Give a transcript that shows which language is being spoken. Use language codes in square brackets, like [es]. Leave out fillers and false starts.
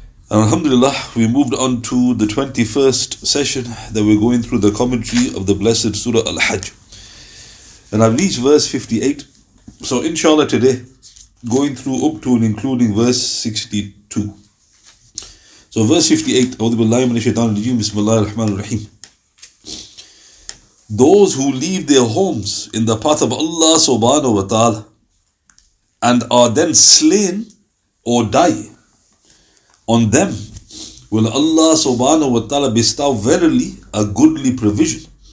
[en] And alhamdulillah, we moved on to the 21st session that we're going through the commentary of the blessed Surah Al-Hajj. And I've reached verse 58. So inshallah today, going through up to and including verse 62. So verse 58, [ar] أَوْذِ بِاللَّهِ مَنَ الشَّيْطَانِ الرَّجِيمِ بِسْمِ اللَّهِ الرَّحْمَنِ الرَّحِيمِ. [en] Those who leave their homes in the path of Allah subhanahu wa ta'ala and are then slain or die, on them will Allah subhanahu wa ta'ala bestow verily a goodly provision.